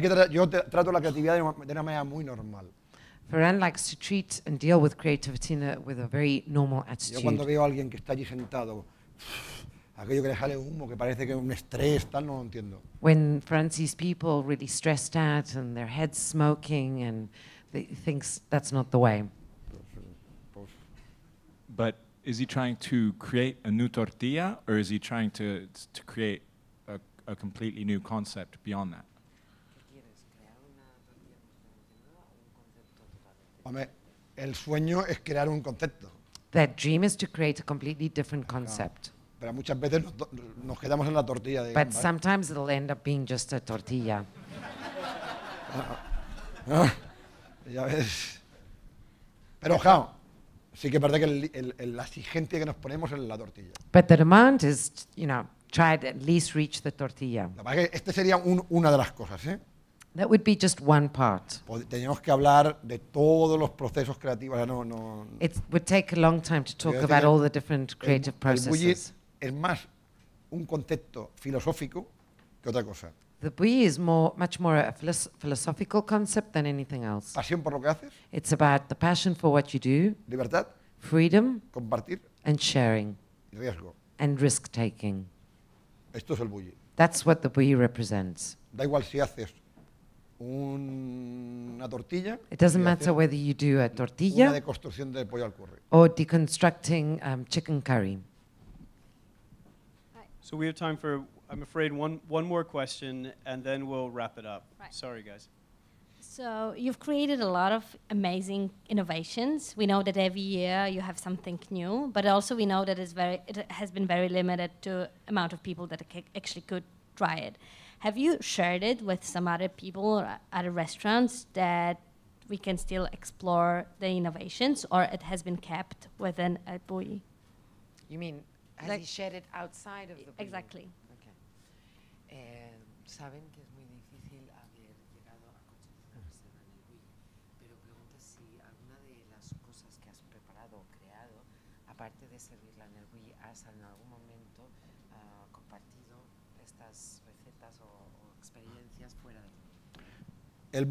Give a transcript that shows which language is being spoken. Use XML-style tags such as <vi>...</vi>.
<es>Yo trato la creatividad de una manera muy normal.</es> <en>Ferran likes to treat and deal with creativity with a very normal attitude.</en> <es>Yo cuando veo a alguien que está allí sentado, aquello que le sale humo, que parece que es un estrés, tal, no lo entiendo.</es> <en>When Ferran sees people really stressed out and their heads smoking and he thinks that's not the way. But is he trying to create a new tortilla or is he trying to create a completely new concept beyond that?</en> <es>Hombre, el sueño es crear un concepto.</es> <en>That dream is to create a completely different concept.</en> <es>Pero muchas veces nos quedamos en la tortilla.</es> <en>But</en> <es>digamos,</es> <en>sometimes</en> <es>¿vale?</es> <en>It'll end up being just a tortilla.</en> <es>Ya ves. Pero ojo, sí que es verdad que la exigencia que nos ponemos es la tortilla.</es> <en>But the demand is, you know, try to at least reach the tortilla.</en> <es>La verdad es que este sería una de las cosas, ¿eh?</es> <en>That would be just one part.</en> <es>Teníamos que hablar de todos los procesos creativos. No.</es> <en>It would take a long time to talk about all the different creative processes.</en> <es>Es más un concepto filosófico que otra cosa.</es> <en>The Bulli is much more a philosophical concept than anything else.</en> <es>Pasión por lo que haces.</es> <en>It's about the passion for what you do.</en> <es>Libertad.</es> <en>Freedom.</en> <es>Compartir.</es> <en>And sharing.</en> <es>Y riesgo.</es> <en>And risk taking.</en> <es>Esto es el Bulli.</es> <en>That's what the Bulli represents.</en> <es>Da igual si haces una tortilla.</es> <en>It doesn't matter whether you do a tortilla.</en> <es>Una deconstrucción de pollo al curry.</es> <en>Or deconstructing chicken curry. So we have time for, I'm afraid, one more question, and then we'll wrap it up. Right. Sorry, guys. So you've created a lot of amazing innovations. We know that every year you have something new, but also we know that it has been very limited to amount of people that actually could try it. Have you shared it with some other people or other restaurants that we can still explore the innovations, or it has been kept within a Bulli? You mean, has like he shared it outside of the Bulli? Exactly. Okay.</en> <es>Saben que es muy difícil haber llegado a conseguir una reserva en el Bulli, pero pregunta si alguna de las cosas que has preparado o creado, aparte de servirla en el Bulli, has en algún momento compartido estas recetas o experiencias fuera del Bulli.</es>